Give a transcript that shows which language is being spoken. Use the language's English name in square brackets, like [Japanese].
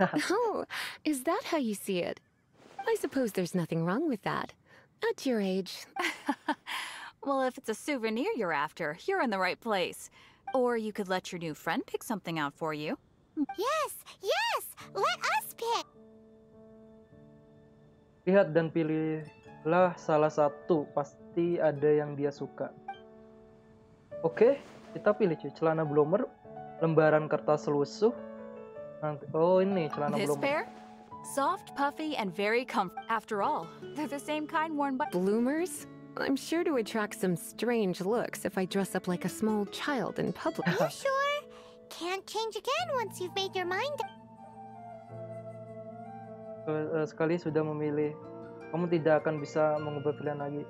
[English] Oh, is that how you see it? I suppose there's nothing wrong with that. At your age. Well, if it's a souvenir you're after, you're in the right place. Or you could let your new friend pick something out for you. Yes, yes! Let us pick! [Indonesian] Lihat dan pilihlah salah satu, pasti ada yang dia suka. Oke, kita pilih cuy. Celana bloomer, lembaran kertas lusuh. Nanti, oh ini celana [English] this bloomer. Pair? Soft, puffy, and very comfortable. After all, they're the same kind worn by bloomers. I'm sure to attract some strange looks if I dress up like a small child in public. Are you sure? Can't change again once you've made your mind. [Indonesian] Sekali sudah memilih, kamu tidak akan bisa mengubah pilihan lagi.